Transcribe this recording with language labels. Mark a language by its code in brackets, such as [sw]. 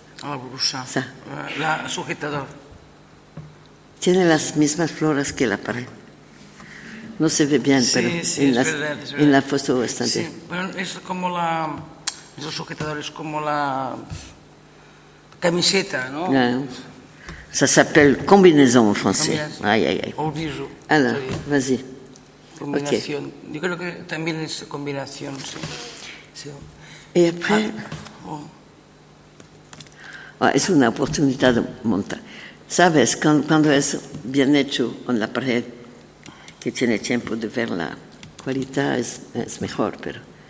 [es] La blusa. O sea, la sujetador. Tiene las mismas flores que la pared. No se ve bien, sí, pero sí, es verdad. En la foto bastante. Sí, pero es como la... Los sujetadores como la camiseta, ¿no? [fr] Ça s'appelle combinaison [es] en francés. Ay, ay, ay. Olvido. [fr] Alors, vas-y. [es] Combinación. Okay. Yo creo que también es combinación, sí. Y después... es una oportunidad de montar. ¿Sabes? Cuando es bien hecho en la pared, que tiene tiempo de ver la calidad, es mejor, pero...